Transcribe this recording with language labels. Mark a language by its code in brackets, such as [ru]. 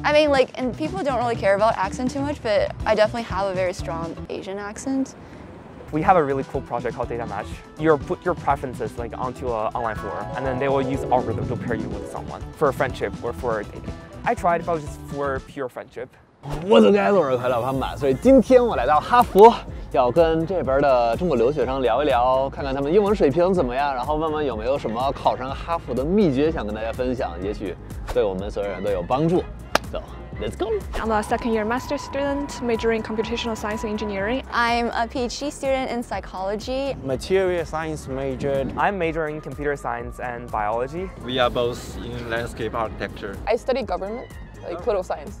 [en] I mean, like, and people don't really care about accent too much, but I definitely have a very strong Asian accent. We have a really cool project called Data Match. You put your preferences like onto an online form, and then they will use algorithm to pair you with someone for a friendship or for dating. I tried, but it was just for pure friendship. [zh] 我总该落日快乐潘吧，所以今天我来到哈佛，要跟这边的中国留学生聊一聊，看看他们英文水平怎么样，然后问问有没有什么考上哈佛的秘诀想跟大家分享，也许对我们所有人都有帮助。 [en] So let's go. I'm a second year master's student majoring in computational science and engineering. I'm a PhD student in psychology. Material science major. I'm majoring in computer science and biology. We are both in landscape architecture. I study government. Like political science.